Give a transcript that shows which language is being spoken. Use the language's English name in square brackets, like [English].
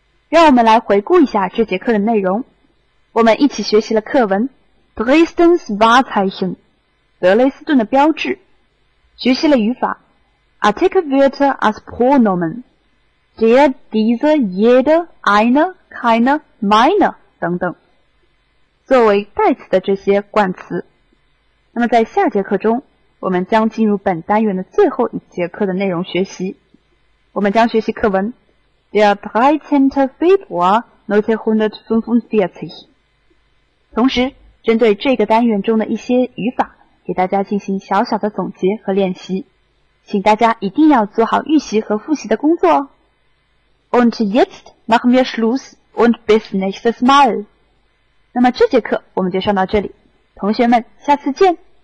[German] Lassen wir uns mal [Chinese] 回顾一下这节课的内容。我们一起学习了课文 Dresdens Wahrzeichen。德雷斯顿的标志学习了语法 [German] Artikelwörter als Pronomen der, diese, jede, eine, keine, meine [Chinese] 等等，作为代词的这些冠词。那么在下节课中，我们将进入本单元的最后一节课的内容学习。我们将学习课文 [German] Der 13. Februar 1945。 [Chinese] 同时，针对这个单元中的一些语法，给大家进行小小的总结和练习。请大家一定要做好预习和复习的工作哦。 [German] Und jetzt machen wir Schluss und bis nächstes Mal. [Chinese] 那么这节课我们就上到这里，同学们下次见。